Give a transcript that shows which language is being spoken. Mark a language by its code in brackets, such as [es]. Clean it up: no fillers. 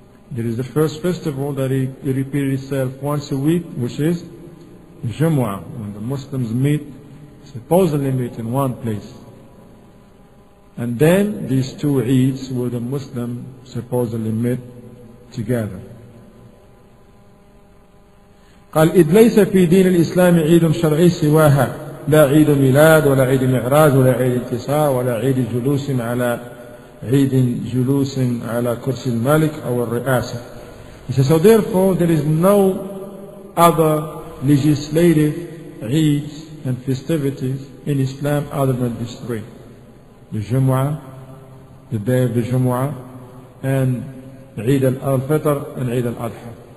[en] There is the first festival that it repeated itself once a week, which is Jumu'ah, when the Muslims meet, supposedly meet in one place. And then these two Eids where the Muslims supposedly meet together. [ar] قال إذ ليس في دين الإسلام عيد شرعي سواها لا عيد ميلاد ولا عيد معراج ولا عيد انتصار ولا عيد جلوس على عيد جلوس على كرسي الملك أو الرئاسة. [en] He says, so therefore there is no other legislative Eid and festivities in Islam other than these three. The Jumu'ah, the day of the Jumu'ah, and Eid al-Fitr and Eid al-Adha.